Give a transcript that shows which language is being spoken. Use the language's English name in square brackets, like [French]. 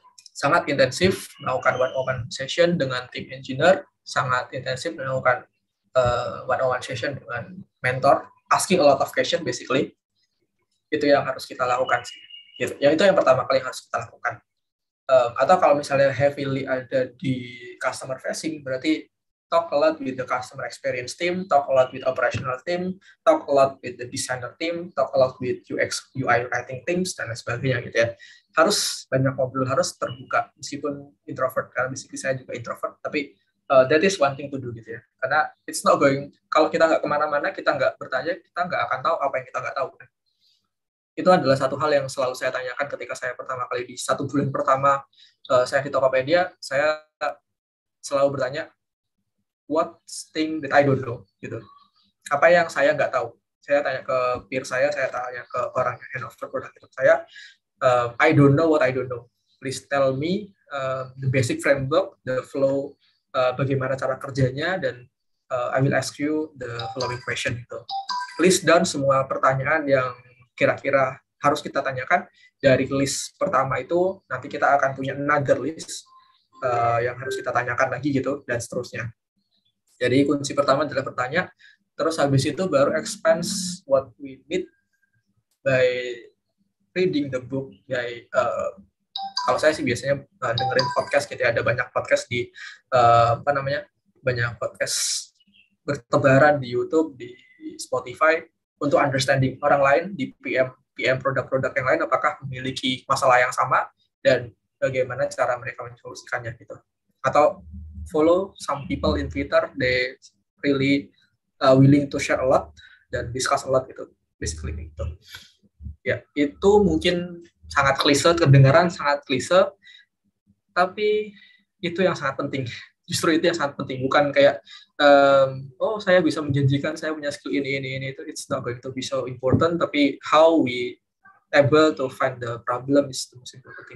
[Indonesian] Sangat intensif melakukan one-on-one session dengan tim engineer, sangat intensif melakukan one-on-one session dengan mentor, [English] asking a lot of questions basically. [Indonesian] Itu yang harus kita lakukan sih. Gitu. Ya, itu yang pertama kali yang harus kita lakukan. Atau kalau misalnya [English] heavily [Indonesian] ada di [English] customer facing, [Indonesian] berarti [English] talk a lot with the customer experience team, talk a lot with operational team, talk a lot with the designer team, talk a lot with UX, UI writing teams, [Indonesian] dan sebagainya gitu ya. Harus banyak ngobrol, harus terbuka, meskipun introvert, karena meskipun saya juga introvert, tapi [English] that is one thing to do [Indonesian] gitu ya. Karena [English] it's not going, [Indonesian] kalau kita nggak kemana-mana, kita nggak bertanya, kita nggak akan tahu apa yang kita nggak tahu. Itu adalah satu hal yang selalu saya tanyakan ketika saya pertama kali di satu bulan pertama saya di Tokopedia, saya selalu bertanya, [English] what thing that I don't know, [Indonesian] gitu. Apa yang saya nggak tahu? Saya tanya ke peer saya tanya ke orang yang handover product itu. Saya, [English] I don't know what I don't know. Please tell me the basic framework, the flow, [Indonesian] bagaimana cara kerjanya, dan [English] I will ask you the following question. Gitu. [Indonesian] Please down semua pertanyaan yang kira-kira harus kita tanyakan dari list pertama itu. Nanti kita akan punya another list yang harus kita tanyakan lagi gitu, dan seterusnya. Jadi kunci pertama adalah bertanya, terus habis itu baru [English] expand what we need by reading the book. [Indonesian] By, kalau saya sih biasanya dengerin podcast gitu ya, ada banyak podcast di banyak podcast bertebaran di YouTube, di Spotify, untuk understanding orang lain di PM, PM produk-produk yang lain, apakah memiliki masalah yang sama, dan bagaimana cara mereka menyelesaikannya gitu. [English] Atau follow some people in Twitter, they really willing to share a lot, [Indonesian] dan [English] discuss a lot gitu, basically gitu. [Indonesian] Ya, itu mungkin sangat klise, kedengaran sangat klise, tapi itu yang sangat penting. Justru itu yang sangat penting, bukan kayak oh saya bisa menjanjikan saya punya [English] skill [Indonesian] ini itu, [English] it's not going to be so important, [Indonesian] tapi [English] how we able to find the problem is the most important thing.